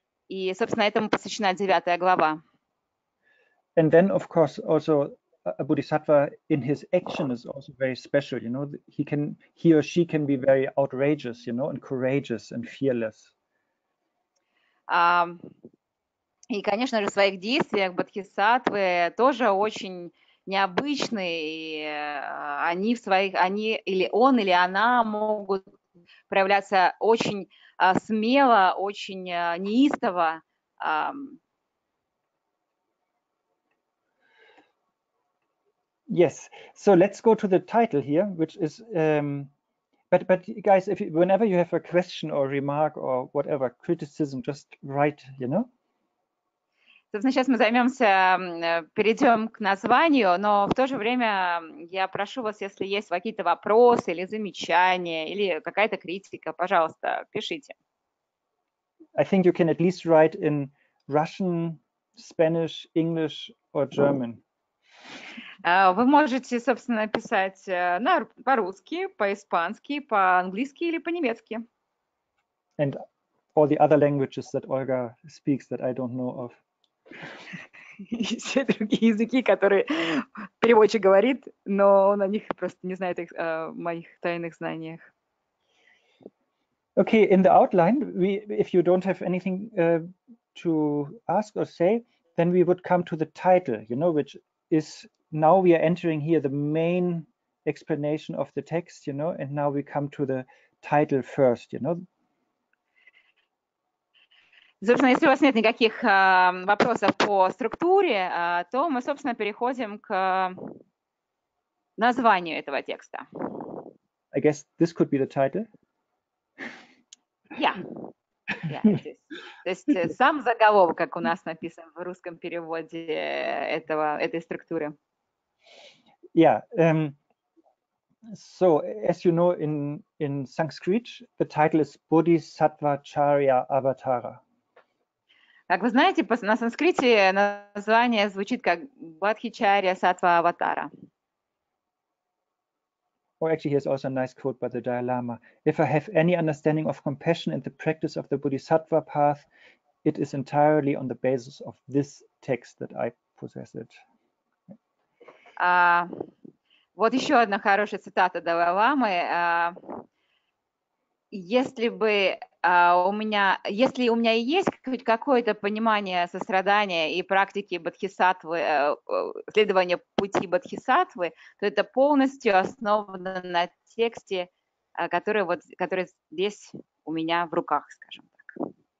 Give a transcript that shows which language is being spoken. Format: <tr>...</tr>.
<ru>И, собственно, этому посвящена 9 глава.</ru> <en>And then, of course, also a bodhisattva in his action is also very special. You know, he or she can be very outrageous, you know, and courageous and fearless.</en> <ru>И, конечно же, в своих действиях бодхисаттвы тоже очень необычные. Они или он, или она могут проявляться очень смело, очень неистово.</ru> <en>Yes, so let's go to the title here, which is but guys, if you, whenever you have a question or remark or whatever criticism, just write, you know.</en> <ru>Собственно, сейчас мы перейдем к названию, но в то же время я прошу вас, если есть какие-то вопросы или замечания, или какая-то критика, пожалуйста, пишите.</ru> <en>I think you can at least write in Russian, Spanish, English or German.</en> <ru>Вы можете, собственно, писать по-русски, по-испански, по-английски или по-немецки.</ru> <en>And all the other languages that Olga speaks that I don't know of.</en> <ru>И все другие языки, которые переводчик говорит, но он о них просто не знает, о моих тайных знаниях.</ru> <en>Okay, in the outline, if you don't have anything to ask or say, then we would come to the title, you know, which is now we are entering here the main explanation of the text, you know, and now we come to the title first, you know.</en> <ru>Собственно, если у вас нет никаких вопросов по структуре, то мы, собственно, переходим к названию этого текста.</ru> <en>I guess this could be the title.</en> <ru>То есть сам заголовок, как у нас написано в русском переводе этой структуры.</ru> <en>So as you know, in Sanskrit, the title is Bodhisattvacharya Avatara.</en> <ru>Как вы знаете, на санскрите название звучит как Бадхичария Сатва Аватара.</ru> <en>Or actually, here's also a nice quote by the Dalai Lama. If I have any understanding of compassion and the practice of the Bodhisattva path, it is entirely on the basis of this text that I possess it.</en> <ru>Вот еще одна хорошая цитата Далай-ламы. Если у меня и есть хоть какое-то понимание сострадания и практики бодхисаттвы, следования пути бодхисаттвы, то это полностью основано на тексте, который здесь у меня в руках, скажем так.</ru>